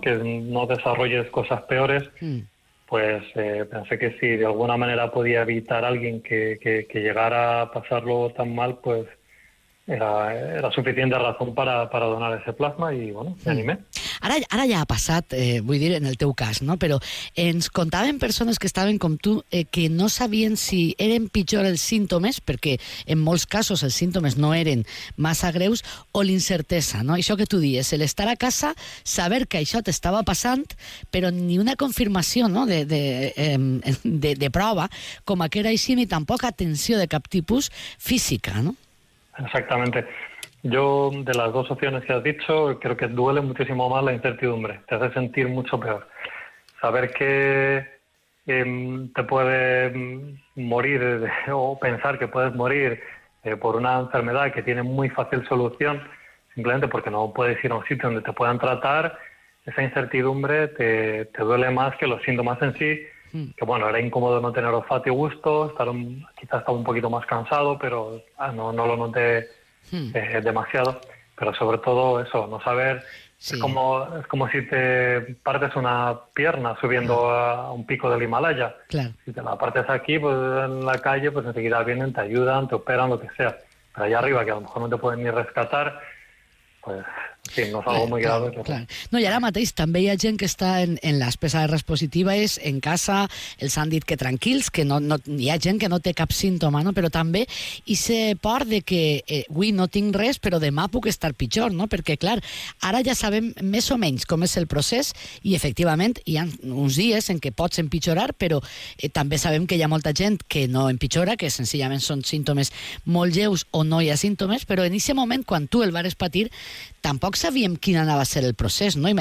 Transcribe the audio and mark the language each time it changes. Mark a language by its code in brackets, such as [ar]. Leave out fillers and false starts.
[es] Que no desarrolles cosas peores. Pues pensé que si de alguna manera podía evitar a alguien que llegara a pasarlo tan mal, pues era suficiente razón para donar ese plasma y, bueno, me animé. [ca] Ara ja ha passat, vull dir, en el teu cas, no? Però ens contaven persones que estaven com tu que no sabien si eren pitjor els símptomes, perquè en molts casos els símptomes no eren massa greus, o l'incertesa, no? Això que tu dius, el estar a casa, saber que això t'estava passant, però ni una confirmació, no? de prova, com que era així, ni tampoc atenció de cap tipus física, no? Exactament. [es] Yo, de las dos opciones que has dicho, creo que duele muchísimo más la incertidumbre. Te hace sentir mucho peor. Saber que te puede morir o pensar que puedes morir por una enfermedad que tiene muy fácil solución, simplemente porque no puedes ir a un sitio donde te puedan tratar, esa incertidumbre te duele más que los síntomas en sí. Que, bueno, era incómodo no tener olfato y gusto, quizás estaba un poquito más cansado, pero no lo noté... demasiado, pero sobre todo eso, no saber, sí. es como si te partes una pierna subiendo a un pico del Himalaya, claro. Si te la partes aquí, pues en la calle, pues enseguida vienen, te ayudan, te operan, lo que sea, pero allá arriba, que a lo mejor no te pueden ni rescatar, pues... Sí, [ca] no, no, i ara mateix també hi ha gent que està en les PCRs positives, en casa, els han dit que tranquils, que no, hi ha gent que no té cap símptoma, no? Però també hi se por de que avui no tinc res, però demà puc estar pitjor, no? Perquè, clar, ara ja sabem més o menys com és el procés i, efectivament, hi ha uns dies en què pots empitjorar, però també sabem que hi ha molta gent que no empitjora, que senzillament són símptomes molt lleus o no hi ha símptomes, però en aquest moment, quan tu el vas patir, tampoc sabíem quin anava a ser el procés, no?